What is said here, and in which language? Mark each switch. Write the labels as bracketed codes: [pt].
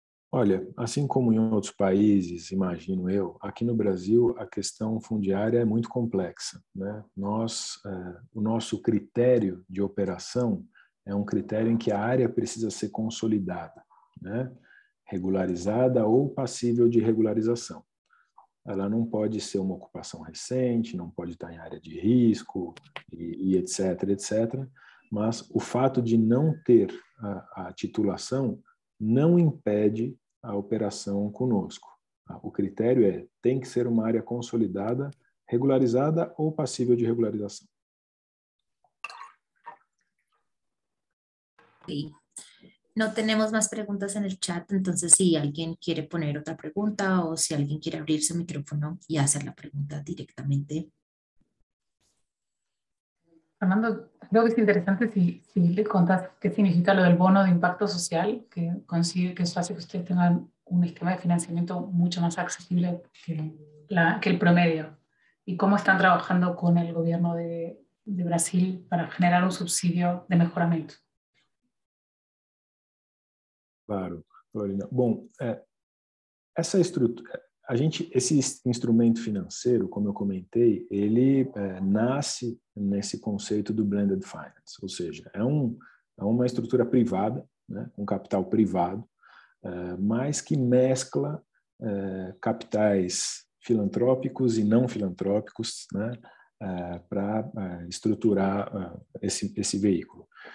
[pt] Olha, [es] así como en otros países, imagino yo, aquí en Brasil la cuestión fundiaria es muy compleja, ¿no? Nuestro criterio de operación es un criterio en que la área precisa ser consolidada, ¿no? [pt] Regularizada ou passível de regularização. Ela não pode ser uma ocupação recente, não pode estar em área de risco, e etc, etc. Mas o fato de não ter a titulação não impede a operação conosco. O critério é, tem que ser uma área consolidada, regularizada ou passível de regularização. Sim. [es] No tenemos más preguntas en el chat, entonces si alguien quiere poner otra pregunta o si alguien quiere abrir su micrófono y hacer la pregunta directamente. Fernando, creo que es interesante si le contás qué significa lo del bono de impacto social, que consigue que eso hace que ustedes tengan un esquema de financiamiento mucho más accesible que el promedio. Y cómo están trabajando con el gobierno de Brasil para generar un subsidio de mejoramiento. Claro, Florina. [pt] Bom, essa estrutura, esse instrumento financeiro, como eu comentei, ele nasce nesse conceito do blended finance, ou seja, é uma estrutura privada, né, com capital privado, mas que mescla capitais filantrópicos e não filantrópicos, né, para estruturar esse veículo.